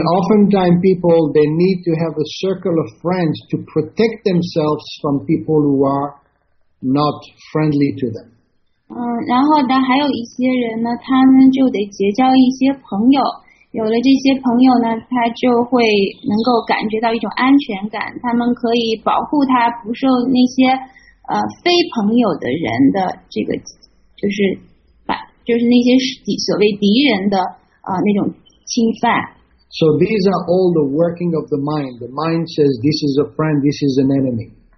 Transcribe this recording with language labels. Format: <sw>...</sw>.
<en>oftentimes people, they need to have a circle of friends to protect themselves from people who are not friendly to them.</en> <zh>然后呢，还有一些人呢，他们就得结交一些朋友。有了这些朋友呢，他就会能够感觉到一种安全感。他们可以保护他，不受那些非朋友的人的这个，就是那些所谓敌人的那种侵犯。 So</zh> <en>these are all the working of the mind. The mind says this is a friend, this is an enemy.</en>